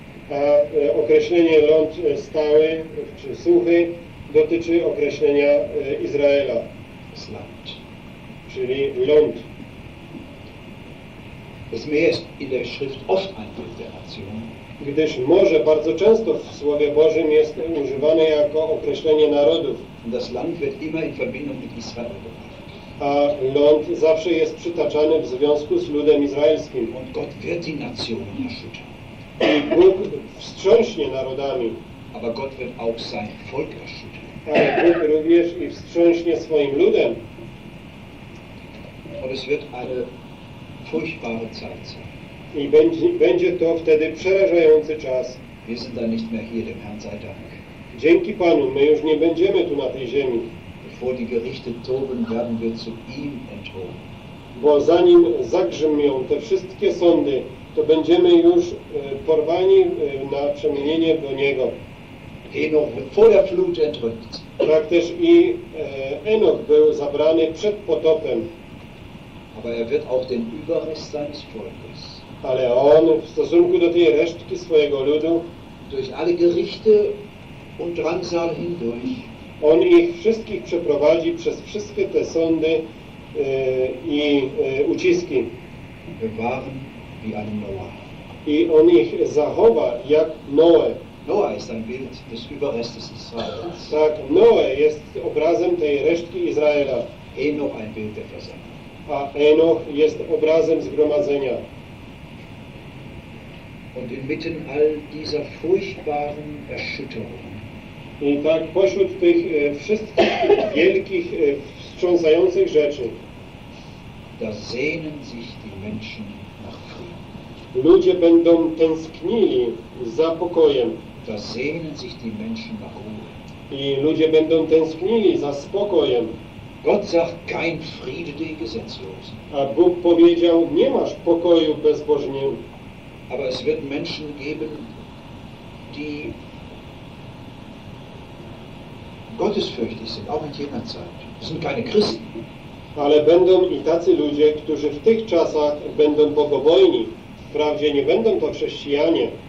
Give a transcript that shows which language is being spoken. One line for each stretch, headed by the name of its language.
Polish: A określenie ląd stały czy suchy dotyczy określenia Izraela.
German: Land.
Polish: Czyli ląd.
German: Das Meer ist in der Schrift oft ein Bild der Nation.
Polish: Gdyż morze bardzo często w Słowie Bożym jest używane jako określenie narodów.
German: Das Land wird immer in Verbindung mit Israel.
Polish: A ląd zawsze jest przytaczany w związku z ludem izraelskim.
German: Und Gott wird die Nationen erschüttern.
Polish: I Bóg wstrząśnie narodami.
German: Aber Gott wird auch sein Volk erschüttern.
Polish: Ale Bóg również i wstrząśnie swoim ludem.
German: Und es wird eine furchtbare Zeit sein.
Polish: I będzie to wtedy przerażający czas.
German: Wir sind da nicht mehr hier, dem Herrn sei Dank.
Polish: Dzięki Panu, my już nie będziemy tu na tej ziemi.
German: Bevor die Gerichte toben, werden wir zu ihm enthoben.
Polish: Bo zanim zagrzmią te wszystkie sądy, to będziemy już porwani na przemienienie do Niego.
German: Enoch wird vor der Flut entrückt.
Polish: Tak też i Enoch był zabrany przed potopem.
German: Aber er wird auch den Überrest seines Volkes.
Polish: Ale on w stosunku do tej resztki swojego ludu
German: durch alle Gerichte und Drangsal hindurch.
Polish: On ich wszystkich przeprowadzi przez wszystkie te sądy i uciski.
German: Bewahren wie einen Noah.
Polish: I on ich zachowa jak Noe.
German: Noah ist ein Bild des Überrestes Israels.
Polish: Tak, Noe jest obrazem tej resztki Izraela.
German: Enoch ein Bild der Versammlung.
Polish: A Enoch jest obrazem zgromadzenia.
German: Und inmitten all dieser furchtbaren Erschütterungen.
Polish: I tak pośród tych wszystkich wielkich, wstrząsających rzeczy.
German: Da sehnen sich die Menschen nach Frieden.
Polish: Ludzie będą tęsknili za pokojem.
German: Da sehnen sich die Menschen nach Ruhe.
Polish: I ludzie będą tęsknili za spokojem.
German: Gott sagt kein Friede der Gesetzlosen.
Polish: A Bóg powiedział, nie masz pokoju bezbożnym.
German: Aber es wird Menschen geben, die gottesfürchtig sind, auch in jener Zeit. Das sind keine Christen.
Polish: Ale będą i tacy ludzie, którzy w tych czasach będą bogobojni. Wprawdzie nie będą to chrześcijanie.